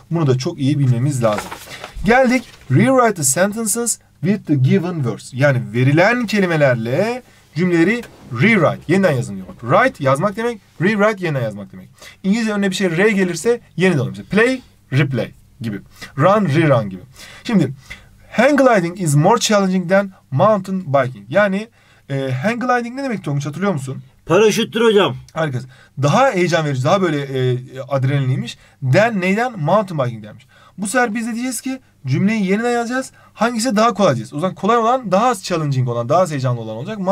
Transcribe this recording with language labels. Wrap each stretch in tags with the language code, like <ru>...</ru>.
<tr>Bunu da çok iyi bilmemiz lazım. Geldik.</tr> <en>Rewrite the sentences with the given words.</en> <tr>Yani verilen kelimelerle cümleleri rewrite. Yeniden yazın diyor. Write yazmak demek. Rewrite yeniden yazmak demek. İngilizce önüne bir şey re gelirse yeniden alın. Play, replay gibi. Run, rerun gibi.</tr> <en>Şimdi hang gliding is more challenging than mountain biking.</en> <tr>Yani</tr> <en>hang gliding</en> <tr>ne demek Tonguç, hatırlıyor musun? Paraşüttür hocam. Herkes. Daha heyecan verici, daha böyle adrenalinliymiş. Then neyden?</tr> <en>Mountain biking</en> <tr>demiş. Bu sefer biz de diyeceğiz ki cümleyi yeniden yazacağız. Hangisi daha kolay diyeceğiz. O zaman kolay olan daha az challenging olan, daha az heyecanlı olan olacak.</tr>